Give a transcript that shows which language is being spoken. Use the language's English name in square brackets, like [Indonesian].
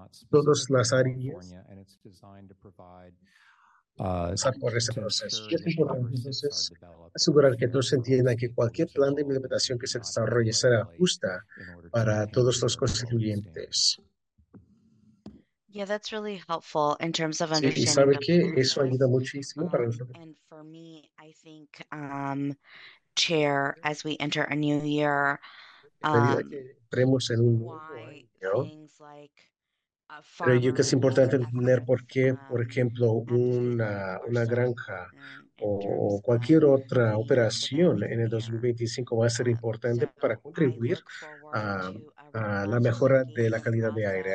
[Spanish] Todas las áreas pasan por ese proceso. Y es importante entonces asegurar que todos entiendan que cualquier plan de implementación que se desarrolle será justa para todos los constituyentes. [English] Yeah, that's really helpful in terms of understanding. [Spanish] Sí, ¿sabe qué? Eso ayuda muchísimo para nosotros. [English] And for me, I think, Chair, as we enter a new year, [Spanish] entremos en un nuevo año. Creo yo que es importante entender por qué, por ejemplo, una granja o cualquier otra operación en el 2025 va a ser importante para contribuir a la mejora de la calidad de aire.